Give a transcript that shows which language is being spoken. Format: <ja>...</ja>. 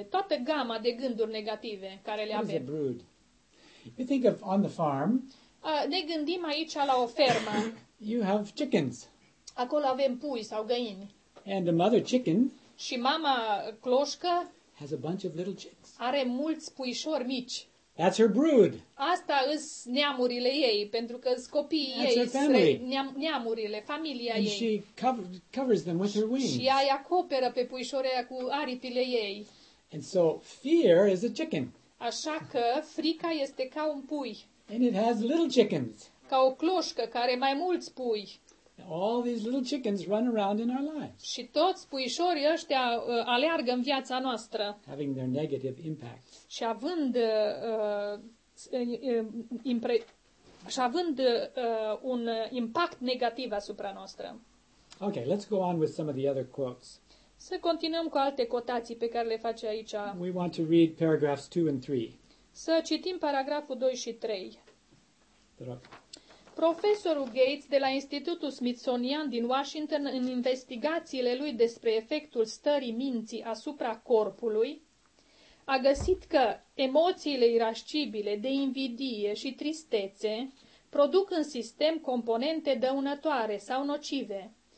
<ro>Toată gama de gânduri negative care le avem.</ro> <en>What is a brood? You think of on the farm.</en> <ro>Ne gândim aici la o fermă.</ro> <en>You have chickens.</en> <ro>Acolo avem pui sau găini.</ro> <en>And the mother chicken</en> <ro>și mama cloșcă</ro> <en>has a bunch of little chicks.</en> <ro>Are mulți puișori mici.</ro> <en>That's her brood.</en> <ro>Asta îs neamurile ei, pentru că îs copiii ei, neamurile, familia</ro> <en>and</en> <ro>ei.</ro> <en>And she covers them with her wings.</en> <ro>Și ea îi acoperă pe puișorii cu aripile ei.</ro> <en>And so fear is a chicken.</en> <ro>Așa că frica este ca un pui.</ro> <en>And it has little chickens.</en> <ro>Ca o cloșcă care are mai mulți pui.</ro> <en>All these little chickens run around in our lives.</en> <ro>Și toți puișorii ăștia aleargă în viața noastră.</ro> <en>Having their negative impact.</en> <ro>Și având un impact negativ asupra noastră.</ro> <en>Okay, let's go on with some of the other quotes.</en> <ro>Să continuăm cu alte cotații pe care le face aici.</ro> <en>We want to read paragraphs 2 and 3.</en> <ro>Să citim paragraful 2 și 3. Te rog. Profesorul Gates de la Institutul Smithsonian din Washington, în investigațiile lui despre efectul stării minții asupra corpului, a găsit că emoțiile irascibile de invidie și tristețe produc în sistem componente dăunătoare sau nocive.</ro>